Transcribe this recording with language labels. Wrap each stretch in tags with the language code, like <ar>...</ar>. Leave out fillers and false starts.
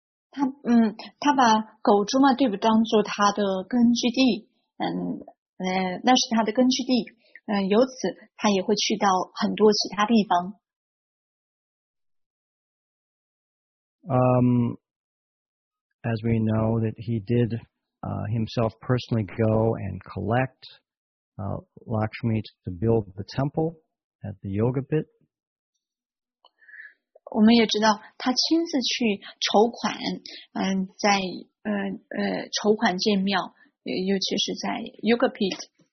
<zh>他把狗珠嘛对不当做他的根据地，那是他的根据地，由此他也会去到很多其他地方。</zh> <en>As we know that he did himself personally go and collect Lakshmi to build the temple at the Yogapit.</en> <zh>我们也知道他亲自去筹款，在筹款建庙，尤其是在 Yogapit。</zh>